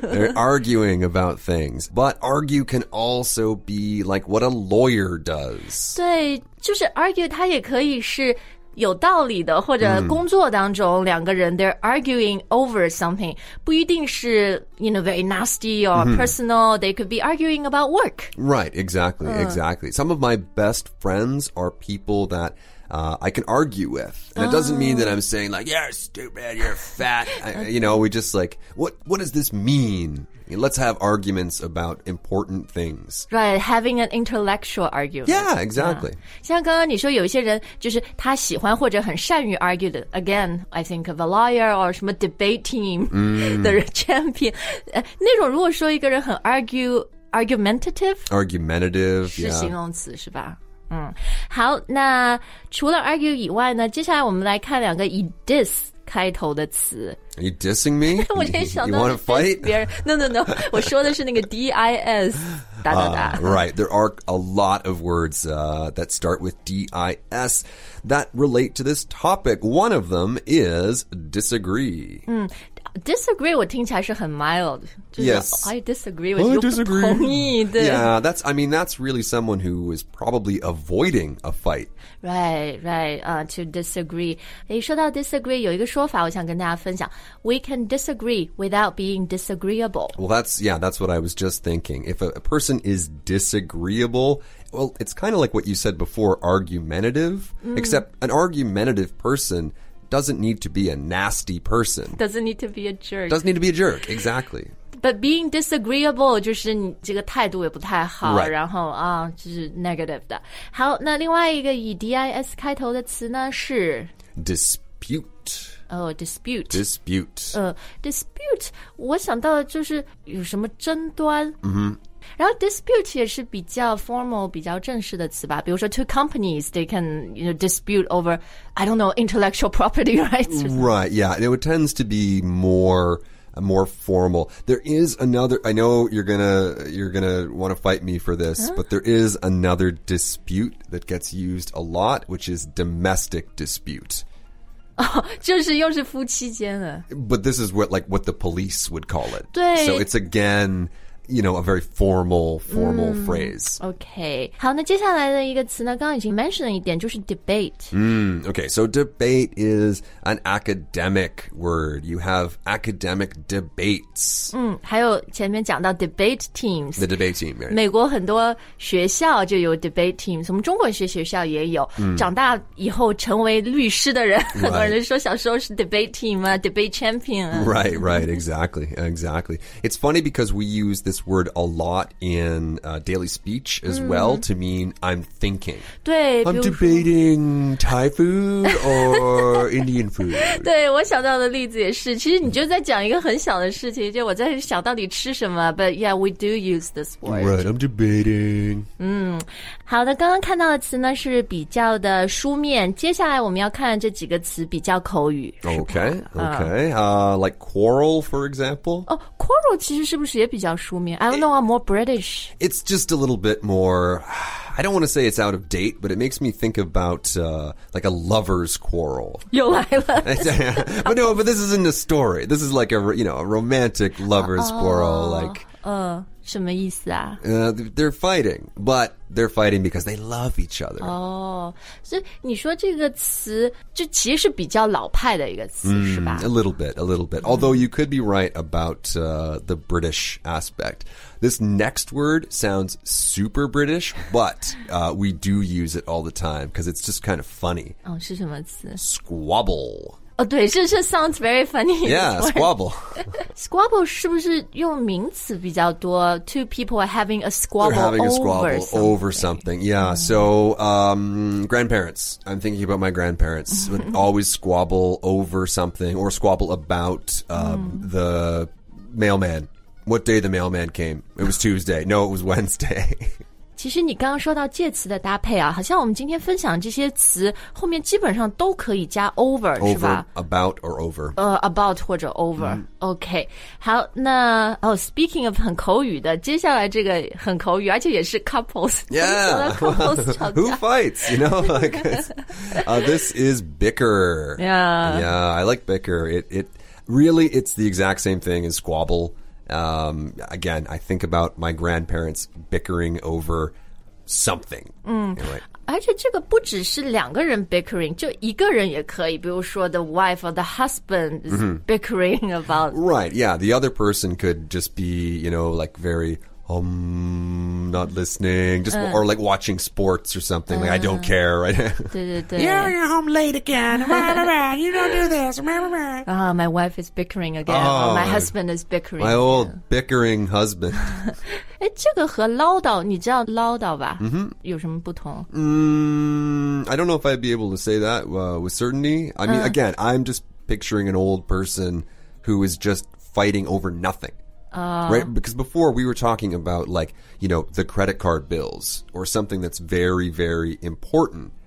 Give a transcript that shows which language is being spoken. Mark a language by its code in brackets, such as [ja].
[en] They're arguing about things. But argue can also be like what a lawyer does. [zh] 对，就是 argue 它也可以是有道理的，或者工作当中两个人 [en] they're arguing over something, [zh] 不一定是 [en] you know, very nasty or personal, they could be arguing about work. Right, exactly, exactly. Some of my best friends are people thatI can argue with. And it doesn't mean that I'm saying like, you're stupid, you're fat. you know, we just like, what does this mean? You know, let's have arguments about important things. Right, having an intellectual argument. Yeah, exactly. Yeah. [zh] 像刚刚你说有一些人就是他喜欢或者很善于 argue. [en] Again, I think of a lawyer or [zh] 什么 [en] debate team, the champion. [zh] 那种如果说一个人很 argumentative, 是形容词是吧？好，那除了 argue 以外呢，接下来我们来看两个以 dis 开头的词。 [en] Are you dissing me? [zh] 我就想到 [en] you wanna fight? [zh] No, 我说的是那个 D-I-S, 打打打。 [en] Right, there are a lot of words that start with D-I-S that relate to this topic. One of them is disagree. [zh] Disagree 我听起来是很 mild. [en] Yes. I disagree with you. I disagree. [zh] 不同意的。 [en] Yeah, that's, I mean, that's really someone who is probably avoiding a fight. Right, to disagree. [zh] 诶，说到 disagree, 有一个说法我想跟大家分享。 [en] We can disagree without being disagreeable. Well, that's what I was just thinking. If a person is disagreeable, well, it's kind of like what you said before, argumentative,、mm. except an argumentative person... doesn't need to be a nasty person. Doesn't need to be a jerk. Doesn't need to be a jerk, exactly. But being disagreeable, [zh] 就是你这个态度也不太好、 [en] right. [zh] 然后啊、就是 negative 的。好，那另外一个以 D-I-S 开头的词呢是 [en] Dispute. Oh, dispute. Dispute. [zh] Dispute, 我想到的就是有什么争端。嗯、mm-hmm. 然后 dispute 也是比较 formal 比较正式的词吧比如说 [en] two companies they can you know, dispute over I don't know intellectual property rights Right yeah it tends to be more formal There is another I know you're gonna want to fight me for this、huh? But there is another dispute that gets used a lot Which is domestic dispute [zh] 就是又是夫妻间的 [en] But this is what the police would call it [zh] 对 [en] So it's againYou know, a very formal、mm, phrase. Okay. [zh] 好那接下来的一个词呢刚刚已经 mentioned 了一点就是 debate.、 [en] Mm, okay, so debate is an academic word. You have academic debates.、 [zh] Mm, 还有前面讲到 debate teams. [en] The debate team, right. [zh] 美国很多学校就有 debate teams. 我们中国一些学校也有、 mm. 长大以后成为律师的人、right. 很多人说小时候是 debate team, 啊 debate champion.、啊、 [en] right, right, exactly, exactly. It's funny because we use this word a lot in、daily speech as、mm. well to mean I'm thinking. [zh] 对 [en] I'm debating Thai food or Indian food. [zh] 对我想到的例子也是其实你就在讲一个很小的事情就我在想到底吃什么 [en] but yeah, we do use this word. Right, I'm debating.、 [zh] 嗯、好的刚刚看到的词呢是比较的书面接下来我们要看这几个词比较口语。 [en] Okay, like quarrel, for example.、 Oh, quarrel [zh] 其实是不是也比较书面 [en] I don't know, I'm more British. It's just a little bit more, I don't want to say it's out of date, but it makes me think about、like a lover's quarrel. [zh] 又来了 [en] But no, but this isn't a story. This is like a, you know, a romantic lover's、quarrel. Like,、 [zh] 什么意思啊、 [en] They're fighting, but they're fighting because they love each other. [zh] Oh, so 你说这个词就其实是比较老派的一个词、是吧 [en] A little bit. Although you could be right about、the British aspect. This next word sounds super British, but、we do use it all the time because it's just kind of funny. [zh] Oh, 是什么词 [en] Squabble. Oh, [zh] 对这是 [en] sounds very funny. Yeah, squabble. Squabble [zh] 是不是用名词比较多 [en] Two people are having a squabble, having over, a squabble something. Over something. Yeah,、mm-hmm. so、grandparents. I'm thinking about my grandparents. would always squabble over something or squabble about、the mailman. What day the mailman came? It was Tuesday. No, it was Wednesday. [zh] 其实你刚刚说到介词的搭配啊，好像我们今天分享这些词后面基本上都可以加 over, [en] over [zh] 是吧 [en] about or over about 或者 over、mm. [zh] OK 好那、 [en] oh, speaking of [zh] 很口语的接下来这个很口语而且也是 couples [en] yeah who fights you know like、this is bicker yeah I like bicker it really it's the exact same thing as squabbleAgain, I think about my grandparents bickering over something.、 Anyway. [zh] 而且这个不只是两个人 bickering, 就一个人也可以。比如说 [en] the wife or the husband is、 [zh] mm-hmm. [en] bickering about... Right, yeah. The other person could just be, you know, like very... not listening, just、or like watching sports or something.、Like, I don't care, right? [zh] 对对对 [en] You're home late again. You don't do this. My wife is bickering again. My husband is bickering. My old bickering husband. [zh] 哎，这个和唠叨，你知道唠叨吧？ Mm-hmm. 有什么不同？ [en] I don't know if I'd be able to say that、with certainty. I mean,、again, I'm just picturing an old person who is just fighting over nothing. Right, because before we were talking about like, you know, the credit card bills or something that's very, very important.